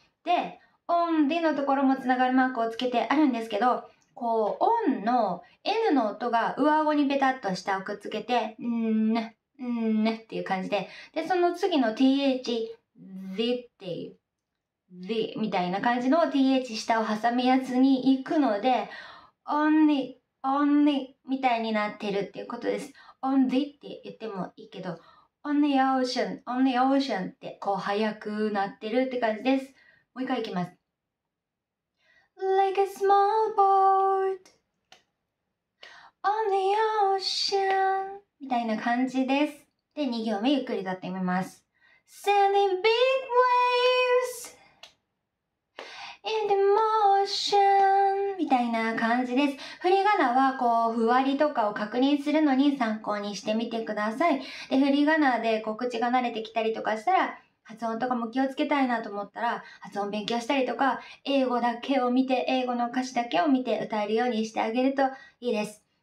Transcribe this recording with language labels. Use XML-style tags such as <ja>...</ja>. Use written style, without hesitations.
<ja>で、 on the のところもつながるマークをつけてあるんですけど、こう on の N の音が上顎にベタッと下をくっつけて、んーねっていう感じで、で、その次の th、the っていう、the みたいな感じの th 下を挟むやつに行くので、only みたいになってるっていうことです。 on the って言ってもいいけど、</ja> <en>on the ocean</en> <ja>ってこう早くなってるって感じです。もう一回いきます。</ja> <en>like a small boat on the ocean.</en> <ja>みたいな感じです。で、2行目ゆっくり歌ってみます。</ja> <en>Sending big waves into motion</en> <ja>みたいな感じです。振り仮名はこう、ふわりとかを確認するのに参考にしてみてください。で、振り仮名で口が慣れてきたりとかしたら、発音とかも気をつけたいなと思ったら、発音勉強したりとか、英語だけを見て、英語の歌詞だけを見て歌えるようにしてあげるといいです。</ja>